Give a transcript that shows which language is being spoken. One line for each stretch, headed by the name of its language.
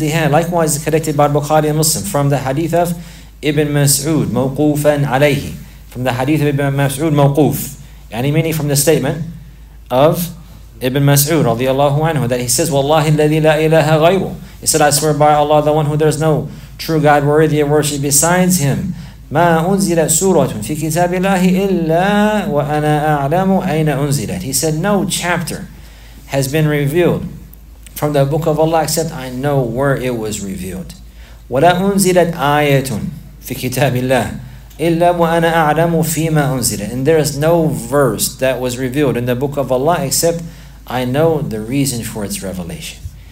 English: Likewise, collected by Bukhari and Muslim from the hadith of Ibn Mas'ud, mawqufan alayhi. From the hadith of Ibn Mas'ud, mawquf. Yani meaning from the statement of Ibn Mas'ud, radiallahu anhu, that he says,
Arabic: Wallahi alladhi la ilaha ghayru.
English: He said, I swear by Allah, the one who there is no true God worthy of worship besides him.
Arabic: ما أنزلت سورة في كتاب الله إلا وأنا أعلم أين أنزلت.
English: He said, no chapter has been revealed from the book of Allah except I know where it was revealed.
Arabic: ولا أنزلت آية في كتاب الله إلا وأنا أعلم فيما أنزلت.
English: And there is no verse that was revealed in the book of Allah except I know the reason for its revelation.